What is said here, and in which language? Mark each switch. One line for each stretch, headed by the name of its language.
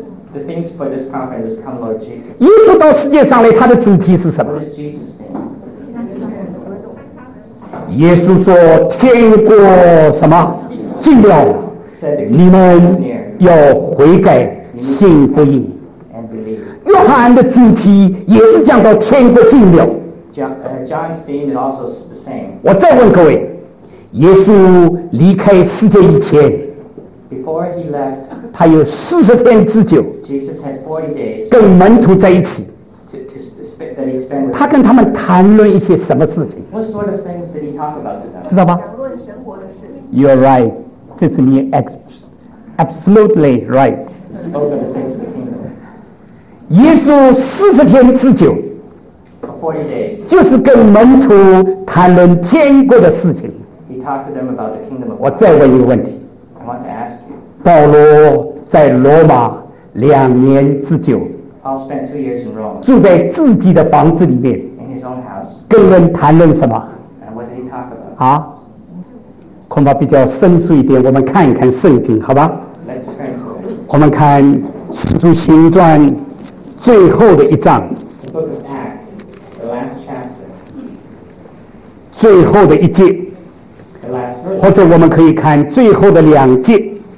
English: The theme for this conference is Come Lord Jesus.
Chinese: 耶稣到世界上来，他的主题是什么？
English: What is Jesus' theme?
Chinese: 耶稣说，天国什么？近了，你们要悔改，信福音。约翰的主题也是讲到天国近了。
English: John's theme is also the same.
Chinese: 我再问各位，耶稣离开世界以前，
English: Before he left,
Chinese: 他有40天之久，
English: Jesus had 40 days
Chinese: 跟门徒在一起，
English: that he spent with
Chinese: 他跟他们谈论一些什么事情？
English: What sort of things did he talk about to them?
Chinese: 知道吧？
English: You're right.
Chinese: 这是你
English: absolutely right. He spoke of the things of the kingdom.
Chinese: 耶稣40天之久，
English: For 40 days,
Chinese: 就是跟门徒谈论天国的事情。
English: He talked to them about the kingdom of God. I want to ask you.
Chinese: 保罗在罗马2年之久，
English: Paul spent 2 years in Rome.
Chinese: 住在自己的房子里面，
English: in his own house.
Chinese: 跟人谈论什么？
English: And what did he talk about?
Chinese: 啊，恐怕比较深邃一点。我们看一看圣经，好吧？
English: Let's pray.
Chinese: 我们看《使徒行传》最后的一章。
English: The book of Acts, the last chapter.
Chinese: 最后的一节。或者我们可以看最后的两节。